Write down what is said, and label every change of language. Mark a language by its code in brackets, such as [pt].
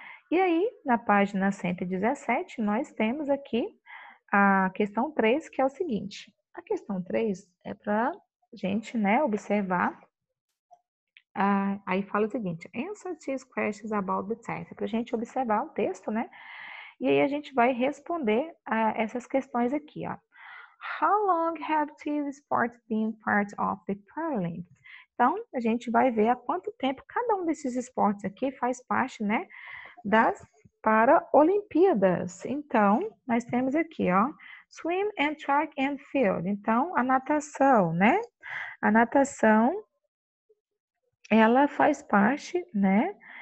[pt] E aí, na página 117, nós temos aqui a questão 3, que é o seguinte. A questão 3 é para gente, né, observar. Aí fala o seguinte: [en] answer these questions about the text. [pt] É para a gente observar o texto, né? E aí a gente vai responder a essas questões aqui, ó. [en] How long have these sports been part of the Paralympics? [pt] Então, a gente vai ver há quanto tempo cada um desses esportes aqui faz parte, né, das Paraolimpíadas. Então, nós temos aqui, ó. [en] Swim and track and field. [pt] Então, a natação, né? A natação, ela faz parte, né?